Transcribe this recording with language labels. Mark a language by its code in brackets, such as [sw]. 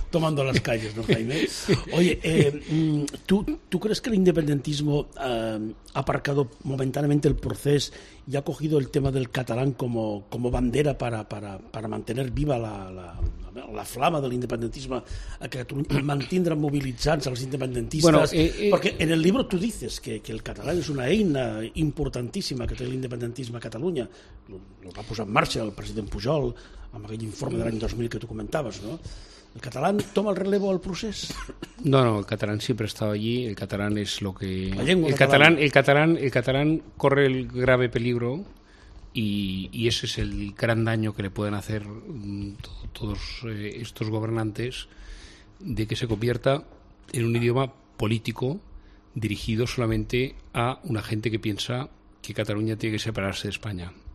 [es] Tomando las calles, ¿no, Jaime? Oye, ¿tú crees que el independentismo ha aparcado momentáneamente el proceso y ha cogido el tema del catalán como bandera para mantener viva la flama [ca] de l'independentisme a Catalunya, mantindre mobilitzats els independentistes? [es] Bueno, [ca] perquè en el llibre tu dices que el català és una eina importantíssima que té l'independentisme a Catalunya. El va posar en marxa el president Pujol amb aquell informe de l'any 2000 que tu comentaves, no? [es] ¿El catalán toma el relevo al procés? No, el catalán siempre ha estado allí. El catalán es lo que... La lengua catalana. El catalán corre el grave peligro y ese es el gran daño que le pueden hacer todos estos gobernantes, de que se convierta en un idioma político dirigido solamente a una gente que piensa que Cataluña tiene que separarse de España.